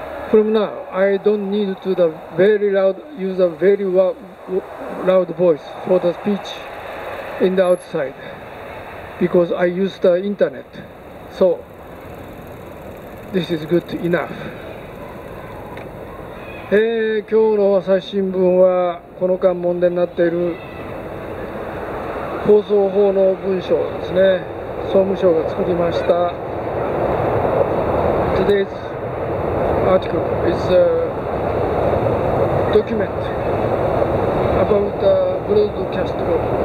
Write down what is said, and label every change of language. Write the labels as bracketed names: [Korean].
[English] From now I don't need to the very loud use a very loud voice for the speech in the outside because I use the internet, so this is good enough。 [Japanese] 今日の朝日新聞はこの間問題になっている放送法の文章ですね。総務省が作りました。 [English] Today's article is a document about the broadcast law.